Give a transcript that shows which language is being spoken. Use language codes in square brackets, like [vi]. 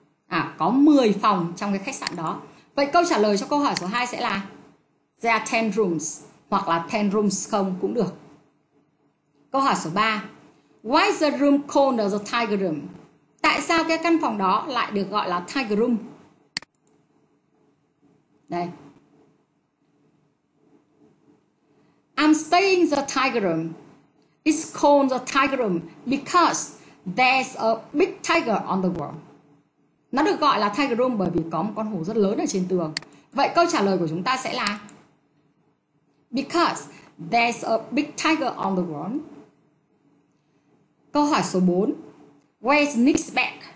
[vi] Có 10 phòng trong cái khách sạn đó. Vậy câu trả lời cho câu hỏi số 2 sẽ là [en] There are 10 rooms [vi] hoặc là 10 rooms không cũng được. Câu hỏi số 3. [en] Why is the room called the Tiger Room? [vi] Tại sao cái căn phòng đó lại được gọi là Tiger Room? Đây. [en] I'm staying the Tiger Room. It's called the Tiger Room because There's a big tiger on the wall. [vi] Nó được gọi là tiger room bởi vì có một con hổ rất lớn ở trên tường. Vậy câu trả lời của chúng ta sẽ là [en] because there's a big tiger on the wall. [vi] Câu hỏi số 4. [en] Where's Nick's bag?